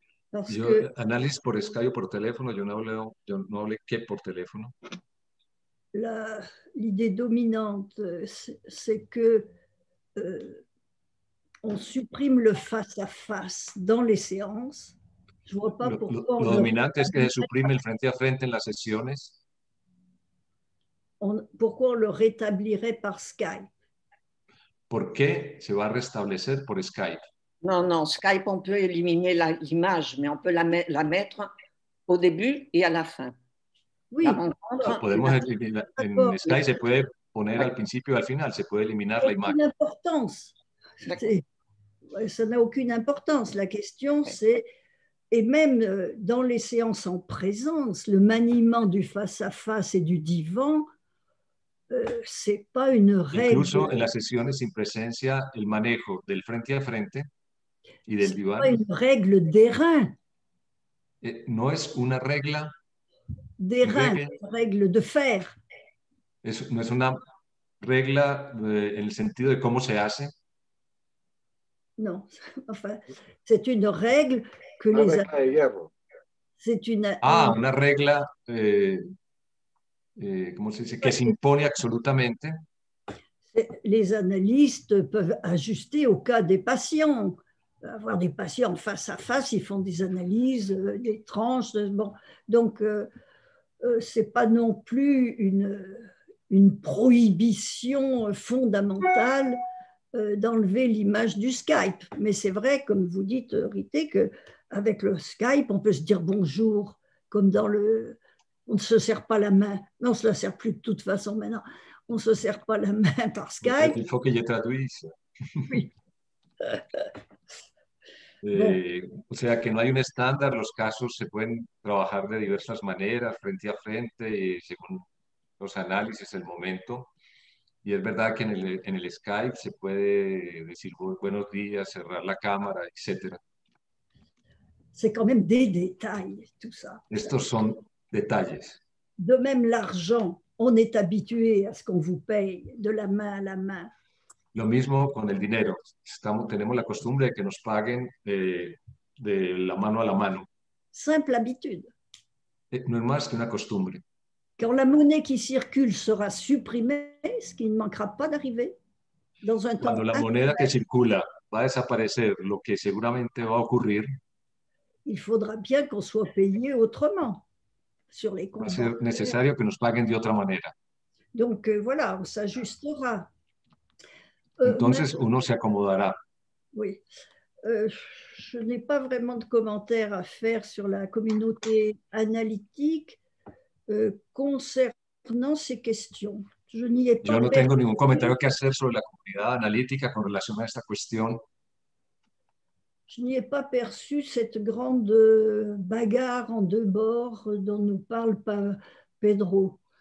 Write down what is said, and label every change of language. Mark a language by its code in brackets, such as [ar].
[fr] Parce yo, que... Analyse par Skype ou par téléphone, je ne parle que par téléphone. L'idée dominante, c'est que on supprime le face-à-face dans les séances. Je vois pas pourquoi. [es] Lo dominante es que se supprime le frente-à-frente en las sesiones. [fr] Pourquoi on le rétablirait par Skype? [es] ¿Por qué se va a restablecer por Skype? No, [fr] Skype, on peut éliminer la image, mais on peut la mettre au début et à la fin. Oui. [es] Podemos eliminar, en Skype se puede poner al principio y al final, se puede eliminar la imagen. [fr] Aucune importance. Ça n'a aucune importance. La question, c'est, et même dans les séances en présence, le maniement du face-à-face et du divan, c'est pas une règle. [es] Incluso en las sesiones sin presencia, el manejo del frente a frente y del divan. [fr] C'est pas une règle d'airain. [es] No es una regla. [fr] D'airain, règle de fer. [es] No es una regla en el sentido de cómo se hace. [fr] Non, enfin, c'est une règle que les. [es] Ah, de hierro. [fr] C'est une. [es] Ah, una regla. ¿Cómo se dice? Que se impone absolutamente. [fr] Les analystes peuvent ajuster au cas des patients. Avoir des patients face à face, ils font des analyses, des tranches. Bon. Donc, ce n'est pas non plus une prohibition fondamentale d'enlever l'image du Skype. Mais c'est vrai, comme vous dites, Rité, qu'avec le Skype, on peut se dire bonjour, comme dans le... On ne se serre pas la main, mais on ne se la serre plus de toute façon maintenant. On ne se serre pas la main par Skype. Il faut que je traduise. Oui. [es] O sea, que no hay un estándar, los casos se pueden trabajar de diversas maneras, frente a frente, según los análisis, el momento. Y es verdad que en el Skype se puede decir buenos días, cerrar la cámara, etcétera. [fr] C'est quand même des détails, tout ça. [es] Estos son detalles. [fr] De même l'argent, on est habitué à ce qu'on vous paye de la main à la main. [es] Lo mismo con el dinero. Tenemos la costumbre de que nos paguen de la mano a la mano. [fr] Simple habitude. [es] No es más que una costumbre. [fr] Quand la monnaie qui circule sera supprimée, ce qui ne manquera pas d'arriver dans un [es] cuando la moneda que circula va a desaparecer, lo que seguramente va a ocurrir, [fr] il faudra bien qu'on soit payé autrement sur les comptes. [es] Va a ser necesario que nos paguen de otra manera. [fr] Donc voilà, on s'ajustera. [es] Entonces uno se acomodará. [fr] Oui. Je n'ai pas vraiment de commentaires à faire sur la communauté analytique concernant ces questions. Je n'y ai pas. [es] Yo no tengo ningún comentario que hacer sobre la comunidad analítica con relación a esta cuestión. [fr] Je n'y ai pas perçu cette grande bagarre en deux bords dont nous parle Pedro.